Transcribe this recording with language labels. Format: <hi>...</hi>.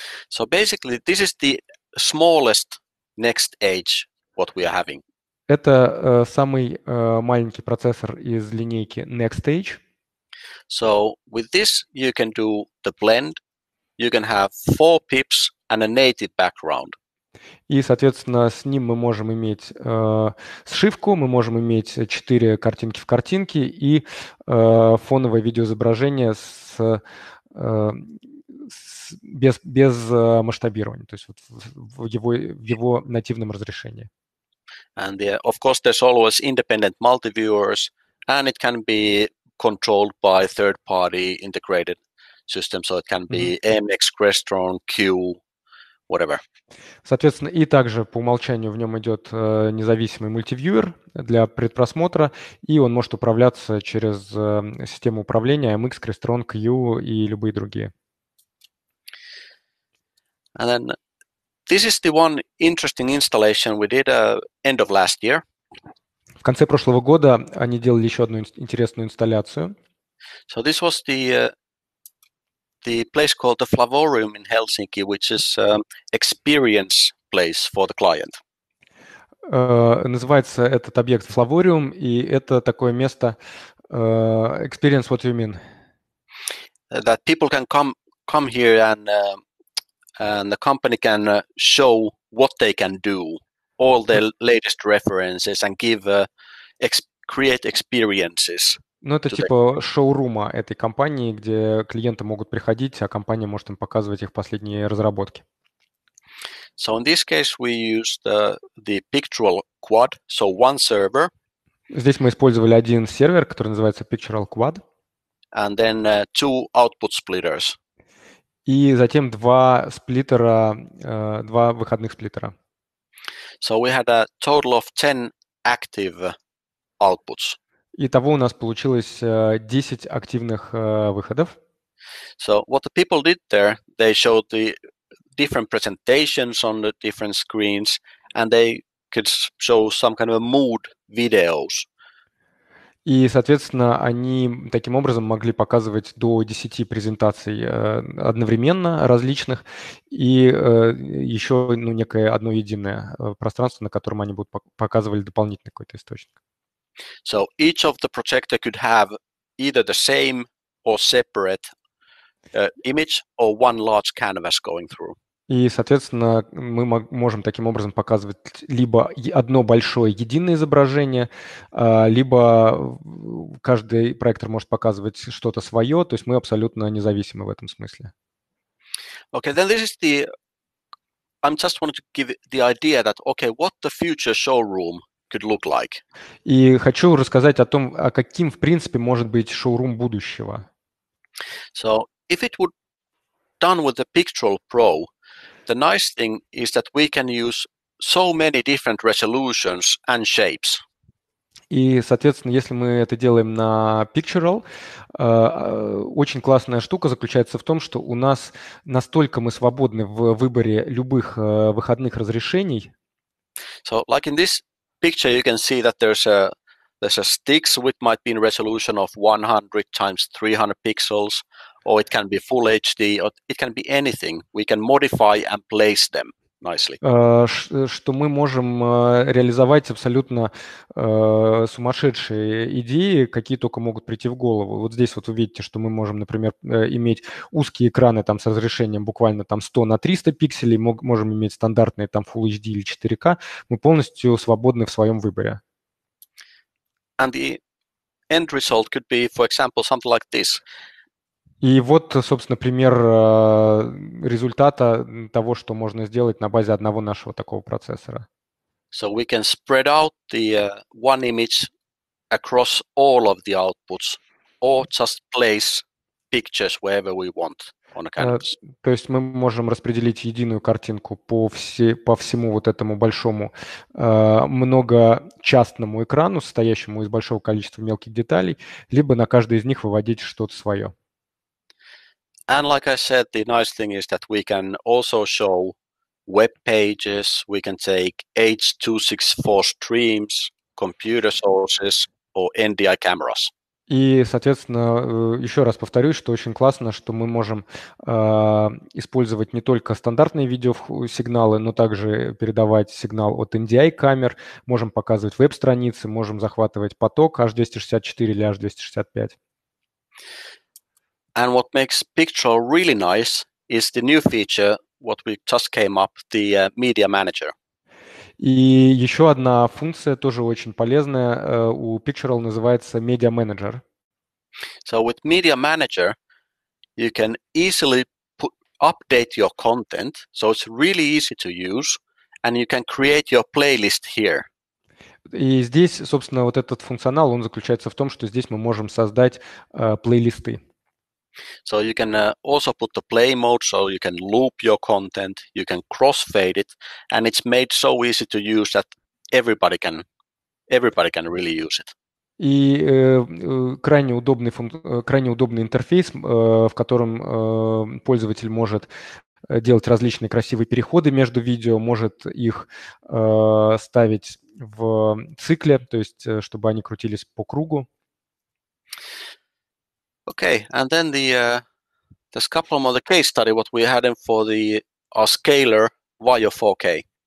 <en>So basically, this is the smallest next edge what we are having.</en> <ru>Это самый маленький процессор из линейки NextEdge.</ru> <en>So with this you can do the blend. You can have four pips and a native background.</en> <ru>И, соответственно, с ним мы можем иметь сшивку, мы можем иметь четыре картинки в картинке и фоновое видеоизображение без масштабирования, то есть вот в его нативном разрешении.</ru> <en>And of course, there's always independent multi-viewers, and it can be controlled by third-party integrated system, so it can be MX, Crestron, Q, whatever.</en> <ru>Соответственно, и также по умолчанию в нем идет независимый мультивьюер для предпросмотра, и он может управляться через систему управления MX, Crestron, Q и любые другие.</ru> <en>And then this is the one interesting installation we did end of last year.</en> <ru>В конце прошлого года они делали еще одну интересную инсталляцию.</ru> <en>So this was the place called the Flavorium in Helsinki, which is experience place for the client.</en> <ru>Называется этот объект Flavorium, и это такое место experience.</ru> <en>What do you mean? That people can come here and the company can show what they can do, all their latest references, and give create experiences.</en> <ru>Ну, это типа шоурума этой компании, где клиенты могут приходить, а компания может им показывать их последние разработки.</ru> <en>So in this case we used the Picturall Quad, so one server.</en> <ru>Здесь мы использовали один сервер, который называется Picturall Quad.</ru> <en>And then two output splitters.</en> <ru>И затем два сплиттера, два выходных сплиттера.</ru> <en>So we had a total of 10 active outputs.</en> <ru>Итого у нас получилось 10 активных выходов.</ru> <en>So what the people did there, they showed the different presentations on the different screens, and they could show some kind of mood videos.</en> <ru>И, соответственно, они таким образом могли показывать до 10 презентаций одновременно различных и еще ну, некое одно единое пространство, на котором они будут показывали дополнительный какой-то источник.</ru> <en>So each of the projector could have either the same or separate image or one large canvas going through.</en> <ru>И, соответственно, мы можем таким образом показывать либо одно большое единое изображение, либо каждый проектор может показывать что-то свое, то есть мы абсолютно независимы в этом смысле.</ru> <en>Okay, then this is the... I'm just wanted to give the idea that, okay, what the future showroom could look like.</en> <ru>И хочу рассказать о том, о каким, в принципе, может быть шоурум будущего.</ru> <en>So, if it would done with the Picturall Pro, the nice thing is that we can use so many different resolutions and shapes. И, соответственно, если мы это делаем на Picturall, очень классная штука заключается в том, что у нас настолько мы свободны в выборе любых выходных разрешений. So, like in this picture, you can see that there's a sticks which might be in resolution of 100 times 300 pixels, or it can be full HD, or it can be anything. We can modify and place them nicely.</en> <ru>Что мы можем реализовать абсолютно сумасшедшие идеи, какие только могут прийти в голову. Вот здесь вот вы видите, что мы можем, например, иметь узкие экраны там с разрешением буквально там 100 на 300 пикселей, можем иметь стандартные там Full HD или 4K. Мы полностью свободны в своем выборе.</ru> <en>And the end result could be, for example, something like this.</en> <ru>И вот, собственно, пример результата того, что можно сделать на базе одного нашего такого процессора.</ru> <en>So we can spread out the one image across all of the outputs or just place pictures wherever we want on a canvas.</en> <ru>То есть мы можем распределить единую картинку по всему вот этому большому многочастному экрану, состоящему из большого количества мелких деталей, либо на каждой из них выводить что-то свое.</ru> <en>And like I said, the nice thing is that we can also show web pages, we can take H.264 streams, computer sources, or NDI cameras.</en> <ru>И, соответственно, еще раз повторюсь, что очень классно, что мы можем использовать не только стандартные видеосигналы, но также передавать сигнал от NDI-камер, можем показывать веб-страницы, можем захватывать поток H.264 или H.265.</ru> <en>And what makes Picturall really nice is the new feature, what we just came up, the media manager.</en> <ru>И еще одна функция, тоже очень полезная, у Picturall называется media manager.</ru> <en>So with media manager, you can easily update your content, so it's really easy to use, and you can create your playlist here.</en> <ru>И здесь, собственно, вот этот функционал, он заключается в том, что здесь мы можем создать плейлисты.</ru> <en>So you can also put the play mode, so you can loop your content, you can crossfade it, and it's made so easy to use that everybody can really use it.</en> <ru>И крайне удобный интерфейс, в котором пользователь может делать различные красивые переходы между видео, может их ставить в цикле, то есть чтобы они крутились по кругу.</ru> <en>Okay, and then there's a couple more the case study what we had in for the our scaler via 4K.</en>